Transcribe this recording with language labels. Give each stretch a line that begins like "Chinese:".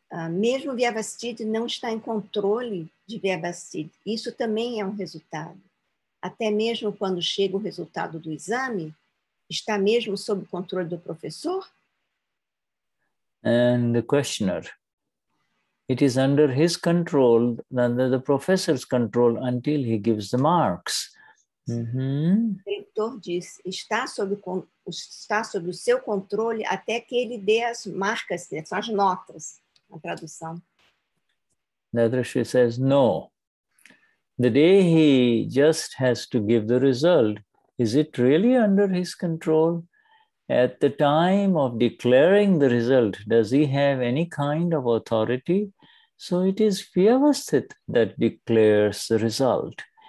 Portuguese: Mesmo Vyavasthit não está em controle de Vyavasthit. Isso também é um resultado. Até mesmo quando chega o resultado do exame, está mesmo sob o controle do professor?
English: And the questioner. It is under his control, under the professor's control, until he gives the marks.
Portuguese: O leitor diz, está sob o seu controle até que ele dê as marcas, as notas, a tradução.
English: Dadrashi says, no. The day he just has to give the result, is it really under his control? At the time of declaring the result, does he have any kind of authority? So it is Vyavasthit that declares the result.